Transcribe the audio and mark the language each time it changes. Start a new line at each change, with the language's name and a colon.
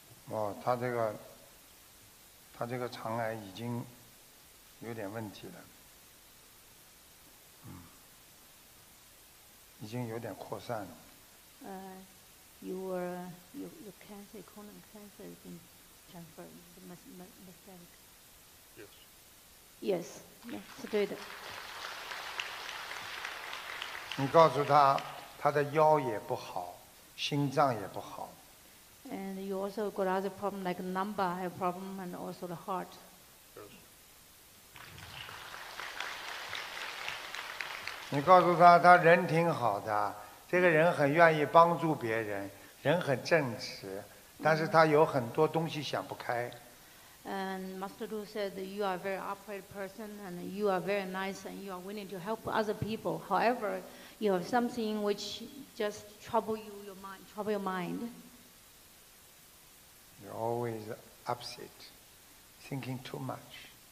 Chinese: 哦，他这个肠癌已经有点问题了，已经有点扩散了。
English: Your cancer, colon cancer has been transferred, metastatic. Yes.
Chinese: Yes, 是对的。你告诉他，他的腰也不好，心脏也不好。
English: And you also got other problems like lumbar have problem and also the heart. Yes.
Chinese: 你告诉他，他人挺好的，这个人很愿意帮助别人，人很正直，但是他有很多东西想不开。
English: And Master Lu said that you are a very upright person and you are very nice and you are willing to help other people. However, you have something which just trouble your mind. You're always upset, thinking too much.